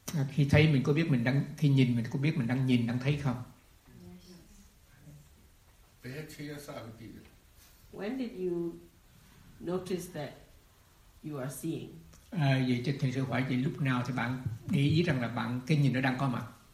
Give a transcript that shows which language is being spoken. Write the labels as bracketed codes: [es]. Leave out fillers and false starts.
[vi] Khi thấy mình có biết mình đang, khi nhìn mình có biết mình đang nhìn, đang thấy không? [en] Yes. When did you notice that you are seeing? [vi] Vậy thì thầy sẽ hỏi vậy lúc nào thì bạn để ý rằng là bạn cái nhìn nó đang có mặt?